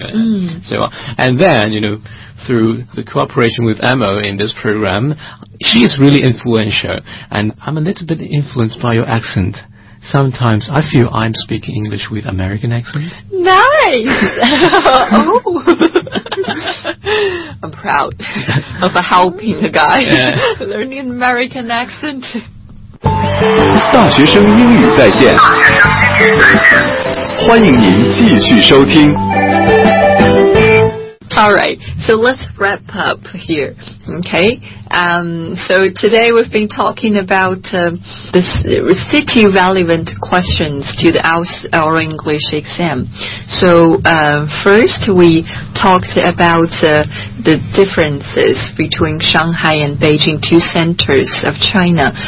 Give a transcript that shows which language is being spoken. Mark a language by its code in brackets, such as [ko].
[en] And then, you know, through the cooperation with Emma in this program, she is really influential, and I'm a little bit influenced by your accent. Sometimes I feel I'm speaking English with American accent. Nice! I'm proud of helping a guy learning American accent. [zh] 大学生英语在线，欢迎您继续收听。 [en] All right, so let's wrap up here. Okay, so today we've been talking about the city relevant questions to the our English exam. So first we talked about the differences between Shanghai and Beijing, two centers of China.